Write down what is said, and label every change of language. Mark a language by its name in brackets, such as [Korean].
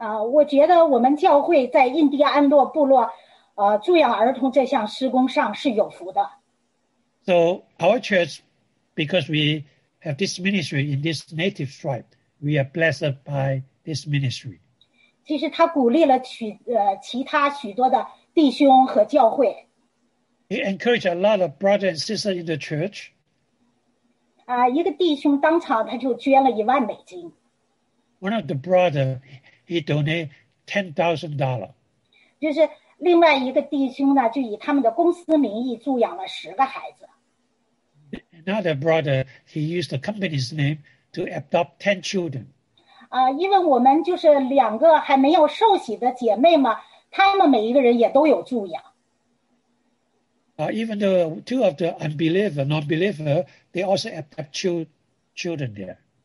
[Chinese] 我觉得我们教会在印第安诺部落助养儿童这项施工上是有福的。 [English] So our church, because we have this ministry in this native tribe. We are blessed by this ministry. [Chinese] 其实他鼓励了其他许多的弟兄和教会。 [English] He encouraged a lot of brothers and sisters in the church. [Chinese] 一个弟兄当场他就捐了10,000美金。 [English] One of the brothers, he donated $10,000. [Chinese] 就是另外一个弟兄呢，就以他们的公司名义助养了10个孩子。 [English] Another brother, he used the company's name to adopt 10 children. [Chinese] 因为我们就是两个还没有受洗的姐妹嘛，他们每一个人也都有助养。 [English] Even though two of the unbeliever, non-believer, they also adopt children there.